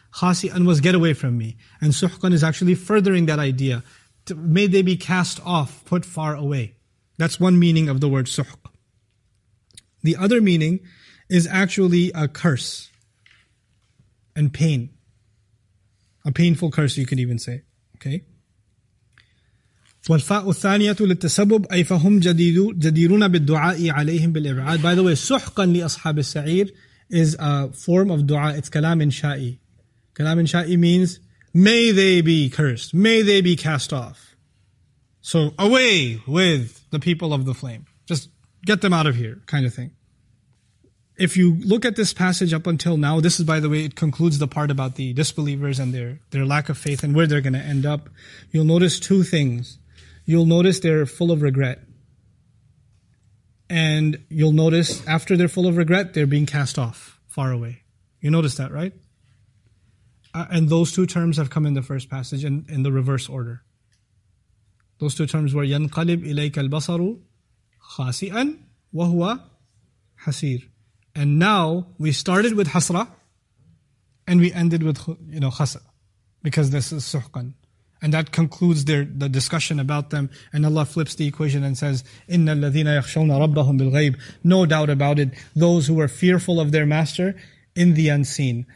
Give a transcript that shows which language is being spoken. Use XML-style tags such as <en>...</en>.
<en>Khasi'an was get away from me. And suhqan is actually furthering that idea. May they be cast off, put far away. That's one meaning of the word suhq. The other meaning is actually a curse and pain. A painful curse, you could even say. Okay?</en> <ar>والفاء الثانية للتسبب أي فهم جديرون بالدعاء عليهم بالإبعاد.</ar> <en>By the way,</en> <ar>سحقا لأصحاب السعير</ar> <en>is a form of dua. It's كلام إنشائي. كلام إنشائي means may they be cursed, may they be cast off. So away with the people of the flame. Just get them out of here, kind of thing. If you look at this passage up until now, this is, by the way, it concludes the part about the disbelievers and their lack of faith and where they're going to end up. You'll notice two things. You'll notice they're full of regret. And you'll notice after they're full of regret, they're being cast off far away. You notice that, right? And those two terms have come in the first passage in the reverse order. Those two terms were</en> <ar>يَنْقَلِبْ إِلَيْكَ الْبَصَرُ خَاسِئًا وَهُوَ حَسِيرٌ.</ar> <en>And now we started with hasra and we ended with khasa, because this is suhqan. And that concludes the discussion about them. And Allah flips the equation and says,</en> <ar>إِنَّ الَّذِينَ يَخْشَوْنَ رَبَّهُمْ بِالْغَيْبِ.</ar> <en>No doubt about it. Those who are fearful of their master in the unseen.</en>